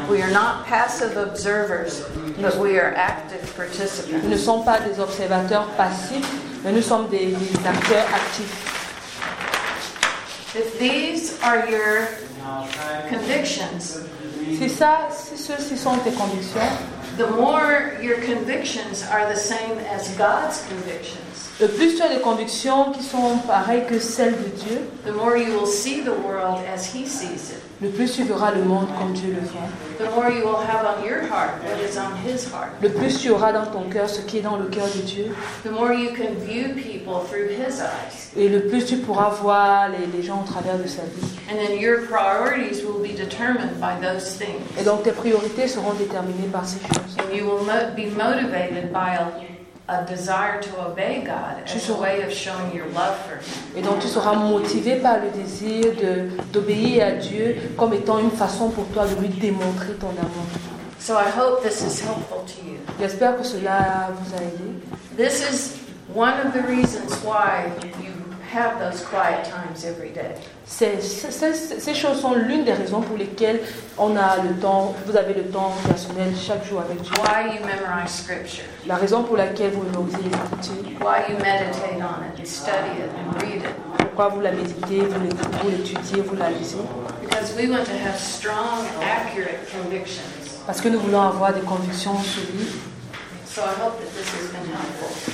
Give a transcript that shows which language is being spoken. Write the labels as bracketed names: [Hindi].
[English] We are not passive observers, but we are active participants. [French] Nous ne sommes pas des observateurs passifs, mais nous sommes des acteurs actifs. [English] If these are your convictions, [French] C'est ça, ceci sont tes convictions. [English] The more your convictions are the same as God's convictions. [French] Le plus tu as des convictions qui sont pareilles que celles de Dieu. [English] The more you will see the world as He sees it. [French] Le plus tu verras le monde comme Dieu le voit. [English] The more you will have on your heart what is on His heart. [French] Le plus tu auras dans ton cœur ce qui est dans le cœur de Dieu. [English] The more you can view people through His eyes. [French] Et le plus tu pourras voir les gens au travers de sa vie. [English] And then your priorities will be determined by those things. [French] Et donc tes priorités seront déterminées par ces choses. [English] And you will be motivated by a desire to obey God as a way of showing your love for Him. [French] Et donc tu seras motivé par le désir d'obéir à Dieu comme étant une façon pour toi de lui démontrer ton amour. [English] So I hope this is helpful to you. [French] J'espère que cela vous a aidé. [English] This is one of the reasons why you have those quiet times every day. [French] Ces choses sont l'une des raisons pour lesquelles on a le temps, vous avez le temps personnel chaque jour avec Dieu. [English] Why you memorize scripture? [French] La raison pour laquelle vous mémorisez l'Écriture. [English] Why you meditate on it, study it, and read it? [French] Pourquoi vous la méditez, vous l'étudiez, vous la lisez? [English] Because we want to have strong, accurate convictions. [French] Parce que nous voulons avoir des convictions solides. [English] So I hope that this has been helpful.